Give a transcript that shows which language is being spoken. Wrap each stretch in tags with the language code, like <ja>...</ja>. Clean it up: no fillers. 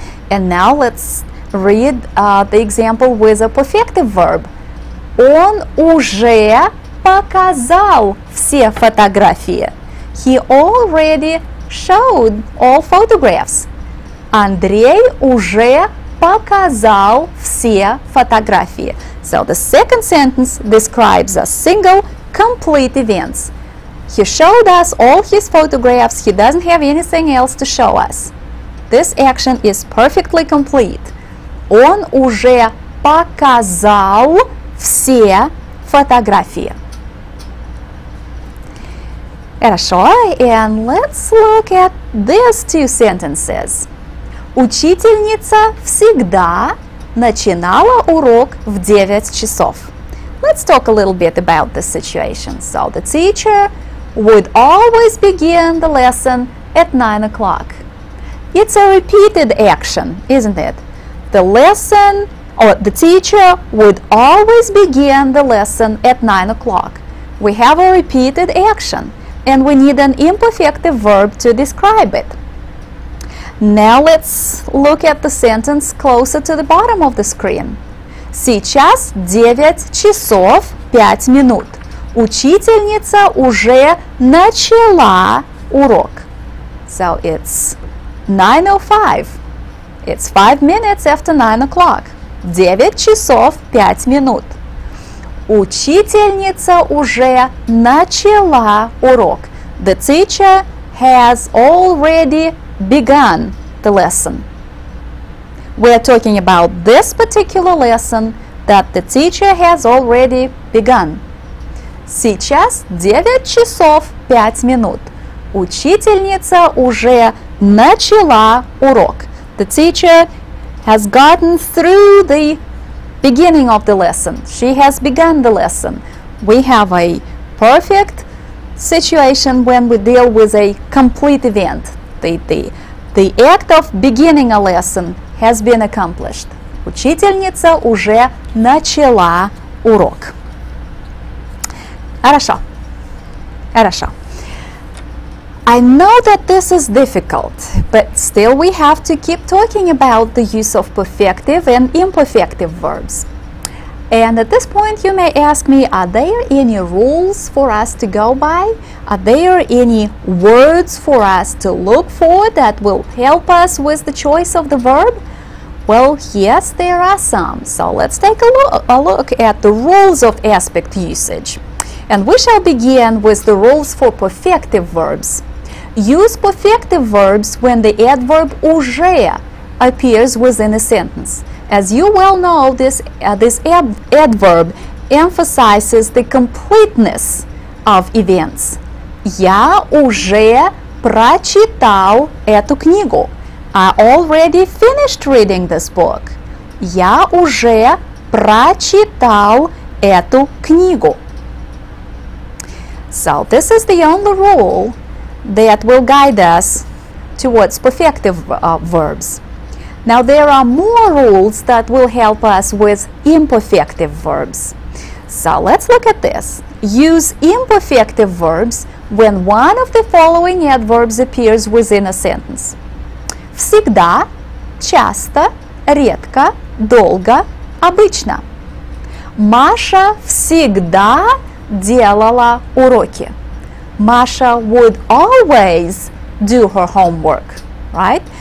<en>And now let's read the example with a perfective verb.</en> <ru>Он уже показал все фотографии.</ru> <en>He already showed all photographs.</en> <ru>Андрей уже показал все фотографии.</ru> <en>So the second sentence describes a single complete event. He showed us all his photographs. He doesn't have anything else to show us. This action is perfectly complete.</en> <ru>Он уже показал все фотографии. Хорошо,</ru> <en>and let's look at these two sentences.</en> <ru>Учительница всегда начинала урок в 9 часов.</ru> <en>Let's talk a little bit about the situation. So the teacher would always begin the lesson at 9 o'clock. It's a repeated action, isn't it? The lesson, or the teacher would always begin the lesson at 9 o'clock. We have a repeated action, and we need an imperfective verb to describe it. Now let's look at the sentence closer to the bottom of the screen.</en> <ru>Сейчас 9:05. Учительница уже начала урок.</ru> <en>So it's 9:05. It's 5 minutes after 9 o'clock. 9:05.</en> <ru>Учительница уже начала урок.</ru> <en>The teacher has already begun the lesson. We're talking about this particular lesson that the teacher has already begun.</en> <ru>Сейчас 9:05. Учительница уже начала урок.</ru> <en>The teacher has gotten through the beginning of the lesson. She has begun the lesson. We have a perfect situation when we deal with a complete event. The act of beginning a lesson has been accomplished.</en> <ru>Учительница уже начала урок. Хорошо. Хорошо.</ru> <en>I know that this is difficult, but still we have to keep talking about the use of perfective and imperfective verbs. And at this point you may ask me, are there any rules for us to go by? Are there any words for us to look for that will help us with the choice of the verb? Well, yes, there are some. So let's take a look at the rules of aspect usage. And we shall begin with the rules for perfective verbs. Use perfective verbs when the adverb уже appears within a sentence. As you well know, this adverb emphasizes the completeness of events.</en> <ru>Я уже прочитал эту книгу.</ru> <en>I already finished reading this book.</en> <ru>Я уже прочитал эту книгу.</ru> <en>So, this is the only rule that will guide us towards perfective verbs. Now, there are more rules that will help us with imperfective verbs. So, let's look at this. Use imperfective verbs when one of the following adverbs appears within a sentence.</en> <ru>Всегда, часто, редко, долго, обычно. Маша всегда делала уроки.</ru> <en>Маша would always do her homework, right?</en>